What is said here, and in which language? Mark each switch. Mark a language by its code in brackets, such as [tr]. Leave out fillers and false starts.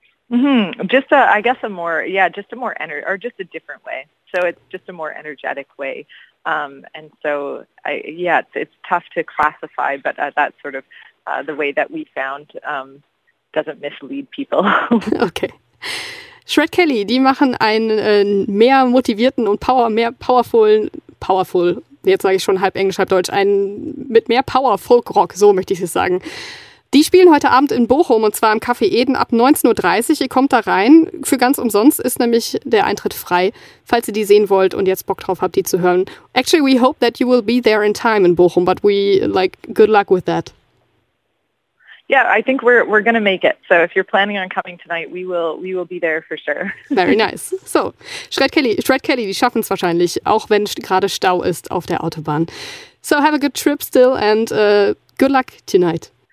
[en] Mm-hmm. Just just a different way. So it's just a more energetic way. It's tough to classify, but that's sort of the way that we found doesn't mislead people. Okay. [de] Shred Kelly, die machen einen mehr motivierten und powerful, jetzt sage ich schon halb Englisch, halb Deutsch, einen mit mehr Power Folkrock, so möchte ich es sagen. Die spielen heute Abend in Bochum und zwar im Café Eden ab 19.30 Uhr. Ihr kommt da rein, für ganz umsonst ist nämlich der Eintritt frei, falls ihr die sehen wollt und jetzt Bock drauf habt, die zu hören. [en] Actually, we hope that you will be there in time in Bochum, but we, like, good luck with that. Yeah, I think we're going to make it. So if you're planning on coming tonight, we will be there for sure. Very nice. [de] So, Shred Kelly, die schaffen es wahrscheinlich, auch wenn gerade Stau ist auf der Autobahn. [en] So have a good trip still and good luck tonight.